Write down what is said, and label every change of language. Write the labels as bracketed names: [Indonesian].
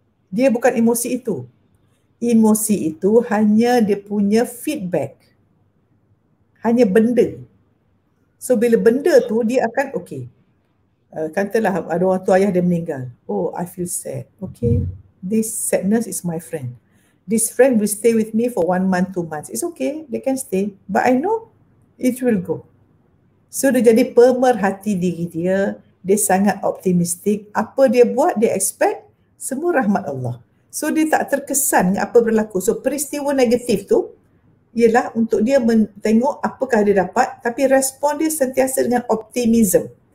[Malay] Dia bukan emosi itu. Emosi itu hanya dia punya feedback. Hanya benda. So bila benda tu dia akan okay. Katalah ada orang tu ayah dia meninggal. [English] Oh, I feel sad. Okay. This sadness is my friend. This friend will stay with me for 1 month, 2 months. It's okay. They can stay. But I know it will go. [Malay] So dia jadi pemerhati diri dia. Dia sangat optimistik. Apa dia buat, dia expect semua rahmat Allah. So dia tak terkesan dengan apa berlaku. So peristiwa negatif tu ialah untuk dia tengok apakah dia dapat, tapi respon dia sentiasa dengan optimism.